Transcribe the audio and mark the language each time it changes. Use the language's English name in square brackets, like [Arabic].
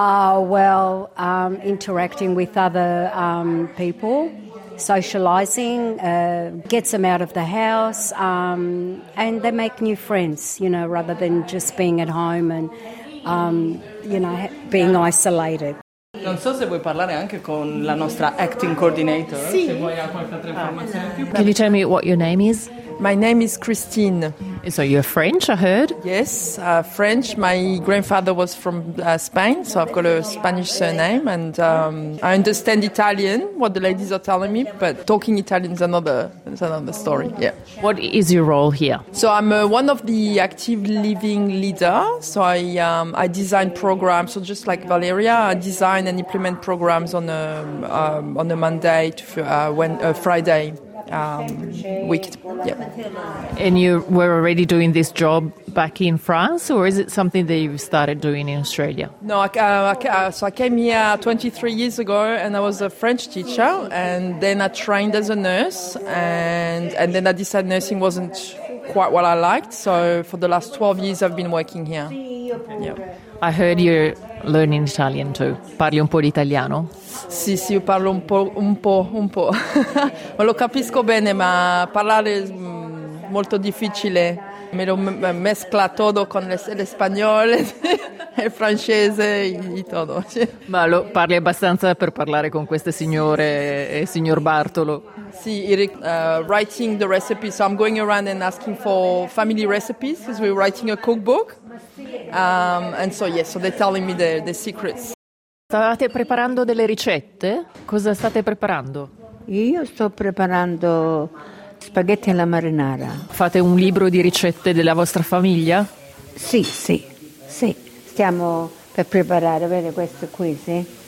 [English] Well, interacting with other people. Socializing gets them out of the house, and they make new friends, you know, rather than just being at home and you know, being isolated. [Italian] Non so se vuoi parlare anche con la nostra acting coordinator. Sì. Se vuoi ha qualche altra informazione. [English] Can you tell me what your name is? My name is Christine. So you're French, I heard? Yes, French. My grandfather was from Spain, so I've got a Spanish surname. And I understand Italian, what the ladies are telling me, but talking Italian is another story, yeah. What is your role here? So I'm one of the active living leader. So I design programs, so just like Valeria, I design and implement programs on a Monday to Friday. Week. Yep. And you were already doing this job back in France, or is it something that you've started doing in Australia? No, I came here 23 years ago, and I was a French teacher, and then I trained as a nurse, and then I decided nursing wasn't quite what I liked, so for the last 12 years I've been working here. Yep. I heard you're learning Italian too. [Italian] Parli un po' di italiano? Sì, io parlo un po'. Ma lo capisco bene, ma parlare è molto difficile. Me lo mescla tutto con l'espagnolo, il francese, e tutto. Ma lo parli abbastanza per parlare con queste signore e signor Bartolo? [English] Sì, writing the recipes. So I'm going around and asking for family recipes because we're writing a cookbook. And so yes, so they're telling me the secrets. [Italian] Stavate preparando delle ricette? Cosa state preparando? Io sto preparando spaghetti alla marinara. Fate un libro di ricette della vostra famiglia? Sì. Stiamo per preparare, vedi questo qui, sì?